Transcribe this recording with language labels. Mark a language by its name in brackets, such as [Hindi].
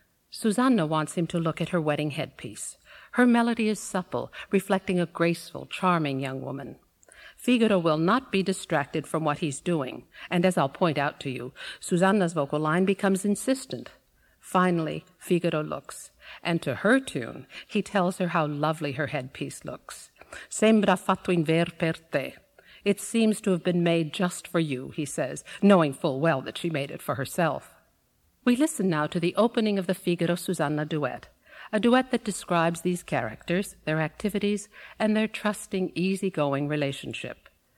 [English] Susanna wants him to look at her wedding headpiece. Her melody is supple, reflecting a graceful, charming young woman. Figaro will not be distracted from what he's doing. And as I'll point out to you, Susanna's vocal line becomes insistent. Finally, Figaro looks. And to her tune, he tells her how lovely her headpiece looks. [Italian] Sembra fatto in ver per te. [English] It seems to have been made just for you, he says, knowing full well that she made it for herself. We listen now to the opening of the Figaro-Susanna duet, a duet that describes these characters, their activities, and their trusting, easygoing relationship.